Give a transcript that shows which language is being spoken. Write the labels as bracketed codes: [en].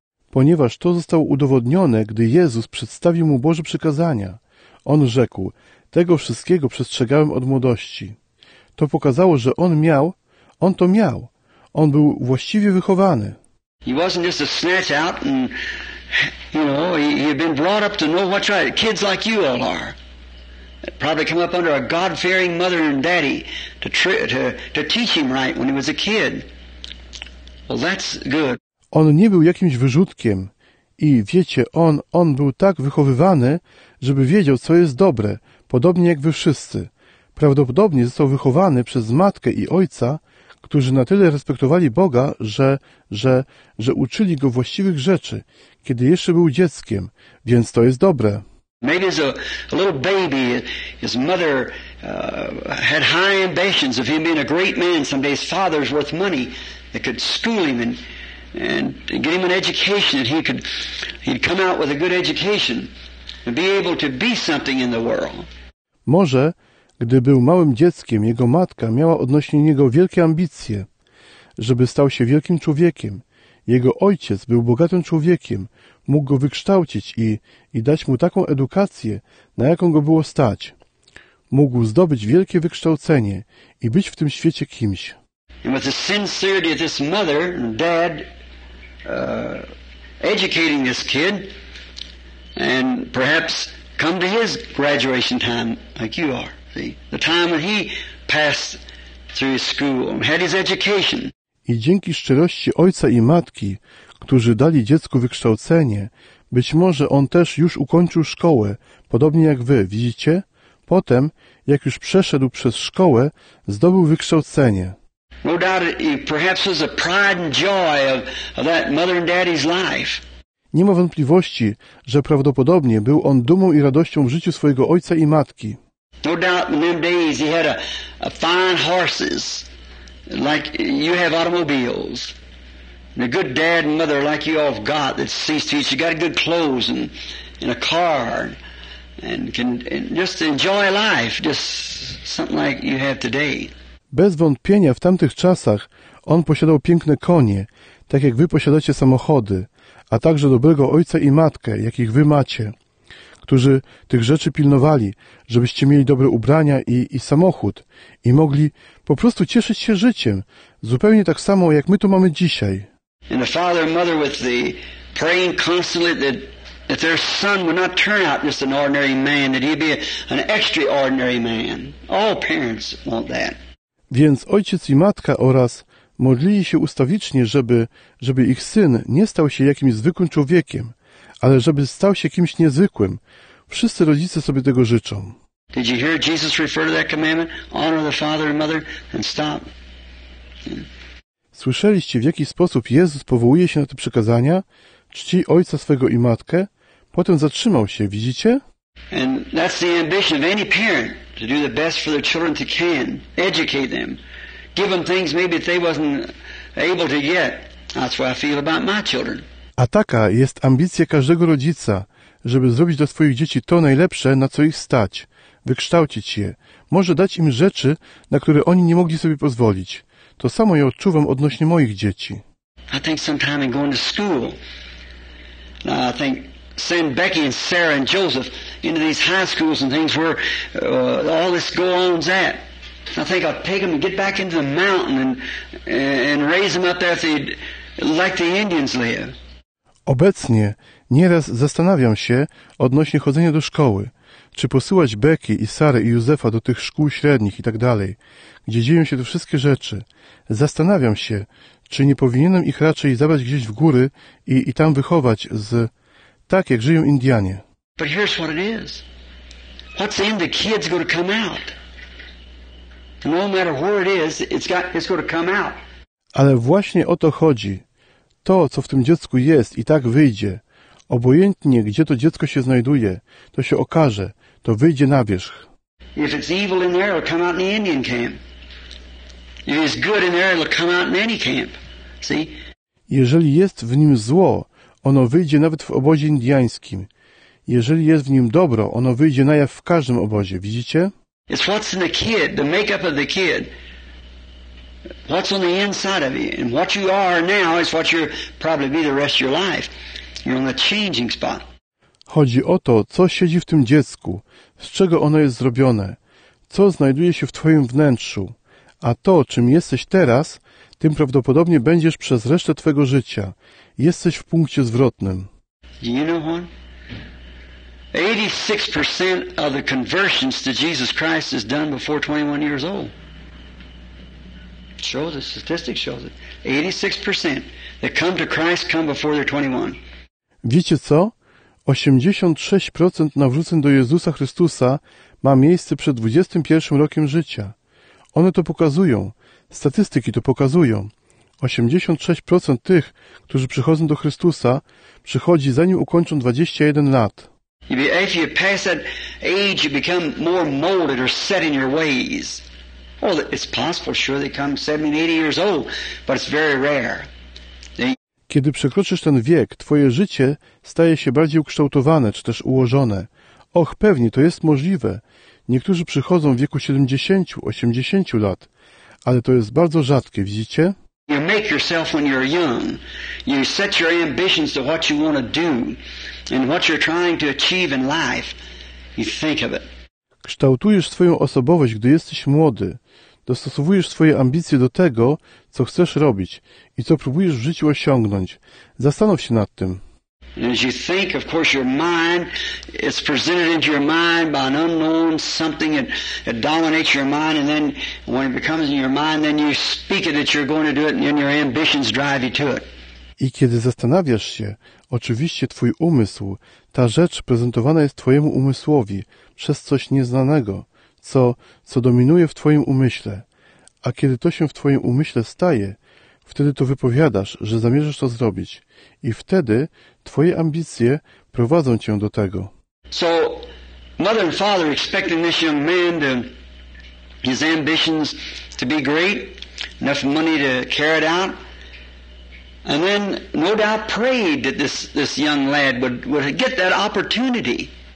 [pl] Ponieważ to zostało udowodnione, gdy Jezus przedstawił mu Boże przykazania. On rzekł, tego wszystkiego przestrzegałem od młodości. To pokazało, że on to miał. On był właściwie wychowany. [en] He wasn't just a snatch out and, you know, he had been brought up to know what's right. Kids like you all are. Probably come up under a God-fearing mother and daddy to teach him right when he was a kid. Well, that's good. [pl] On nie był jakimś wyrzutkiem i wiecie, on był tak wychowywany, żeby wiedział, co jest dobre, podobnie jak wy wszyscy. Prawdopodobnie został wychowany przez matkę i ojca, którzy na tyle respektowali Boga, że uczyli go właściwych rzeczy, kiedy jeszcze był dzieckiem, więc to jest dobre. [en] Maybe as a little baby, his mother had high ambitions of him being a great man someday. His father's worth money that could school him and get him an education, and he'd come out with a good education and be able to be something in the world. [pl] Może, gdy był małym dzieckiem, jego matka miała odnośnie niego wielkie ambicje, żeby stał się wielkim człowiekiem. Jego ojciec był bogatym człowiekiem, mógł go wykształcić i dać mu taką edukację, na jaką go było stać. Mógł zdobyć wielkie wykształcenie i być w tym świecie kimś. [en] And with the sincerity of this mother and dad educating this kid and perhaps come to his graduation time like you are. The time when he passed through his school and had his education. [pl] I dzięki szczerości ojca i matki, którzy dali dziecku wykształcenie, być może on też już ukończył szkołę, podobnie jak wy, widzicie? Potem, jak już przeszedł przez szkołę, zdobył wykształcenie. [en] No doubt it perhaps was the pride and joy of that mother and daddy's life. [pl] Nie ma wątpliwości, że prawdopodobnie był on dumą i radością w życiu swojego ojca i matki. [en] No doubt in them days he had a fine horses. Like you have automobiles, and a good dad and mother like you all have got that sees to it. You got good clothes and a car, and can just enjoy life, just something like you have today. [pl] Bez wątpienia w tamtych czasach on posiadał piękne konie, tak jak wy posiadacie samochody, a także dobrego ojca i matkę, jakich wy macie, którzy tych rzeczy pilnowali, żebyście mieli dobre ubrania i samochód i mogli po prostu cieszyć się życiem, zupełnie tak samo, jak my to mamy dzisiaj. [en] And the father and mother with the praying constantly that their son would not turn out just an ordinary man, that he'd be an extraordinary man. All parents want that. [pl] Więc ojciec i matka oraz modlili się ustawicznie, żeby ich syn nie stał się jakimś zwykłym człowiekiem, ale żeby stał się kimś niezwykłym. Wszyscy rodzice sobie tego życzą. [en] Did you hear Jesus refer to that commandment? Honor the father and mother and stop. [pl] Słyszeliście, w jaki sposób Jezus powołuje się na te przykazania? Czci ojca swego i matkę. Potem zatrzymał się, widzicie? [en] And that's the ambition of any parent, to do the best for their children they can. Educate them. Give them things maybe they wasn't able to get. That's what I feel about my children. [pl] A taka jest ambicja każdego rodzica, żeby zrobić dla swoich dzieci to najlepsze, na co ich stać, wykształcić je, może dać im rzeczy, na które oni nie mogli sobie pozwolić. To samo ja odczuwam odnośnie moich dzieci. [en] I think sometime in going to school, now I think send Becky and Sarah and Joseph into these high schools and things where all this go on's at. I think I'll take them and get back into the mountain and raise them up there like the Indians live. [pl] Obecnie nieraz zastanawiam się odnośnie chodzenia do szkoły, czy posyłać Becky i Sary i Józefa do tych szkół średnich i tak dalej, gdzie dzieją się te wszystkie rzeczy. Zastanawiam się, czy nie powinienem ich raczej zabrać gdzieś w góry i tam wychować z tak jak żyją Indianie. [en] But here's what it is. What's in the kid's going to come out. No matter where it is, it's going to come out. [pl] Ale właśnie o to chodzi. To, co w tym dziecku jest, i tak wyjdzie. Obojętnie, gdzie to dziecko się znajduje, to się okaże, to wyjdzie na wierzch. [en] If it's evil in there, it'll come out in the Indian camp. If it's good in there, it'll come out in any camp. See? [pl] Jeżeli jest w nim zło, ono wyjdzie nawet w obozie indiańskim. Jeżeli jest w nim dobro, ono wyjdzie na jaw w każdym obozie. Widzicie? [en] It's what's in the kid, the makeup of the kid. What's on the inside of you? And what you are now is what you'll probably be the rest of your life. You're on the changing spot. [pl] Chodzi o to, co siedzi w tym dziecku, z czego ono jest zrobione, co znajduje się w twoim wnętrzu, a to, czym jesteś teraz, tym prawdopodobnie będziesz przez resztę twojego życia. Jesteś w punkcie zwrotnym. [en] Do you know what? 86% of the conversions to Jesus Christ is done before 21 years old. Shows it, statistics shows it. 86% that come to Christ come before they're 21. [pl] Wiecie co? 86% nawróceń do Jezusa Chrystusa ma miejsce przed 21 rokiem życia. One to pokazują. Statystyki to pokazują. 86% tych, którzy przychodzą do Chrystusa, przychodzi zanim ukończą 21 lat. [en] If you pass that age, you become more molded or set in your ways. Well, it's possible, sure, they come 70, 80 years old, but it's very rare. [pl] Kiedy przekroczysz ten wiek, twoje życie staje się bardziej ukształtowane, czy też ułożone. Och, pewnie, to jest możliwe. Niektórzy przychodzą w wieku 70, 80 lat, ale to jest bardzo rzadkie, widzicie? [en] You make yourself when you're young. You set your ambitions to what you want to do and what you're trying to achieve in life. You think of it. [pl] Kształtujesz swoją osobowość, gdy jesteś młody. Dostosowujesz swoje ambicje do tego, co chcesz robić i co próbujesz w życiu osiągnąć. Zastanów się nad tym. [en] As you think, of course, your mind is presented into your mind by an unknown something that dominates your mind, and then when it becomes in your mind, then you speak it that you're going to do it, and your ambitions drive you to it. [pl] I kiedy zastanawiasz się, oczywiście twój umysł, ta rzecz prezentowana jest twojemu umysłowi przez coś nieznanego, co dominuje w twoim umyśle. A kiedy to się w twoim umyśle staje, wtedy to wypowiadasz, że zamierzasz to zrobić. I wtedy twoje ambicje prowadzą cię do tego. [en] So, mother and father expecting this young man to, his ambitions to be great, enough money to carry it out. And then, no doubt, prayed that this young lad would get that opportunity.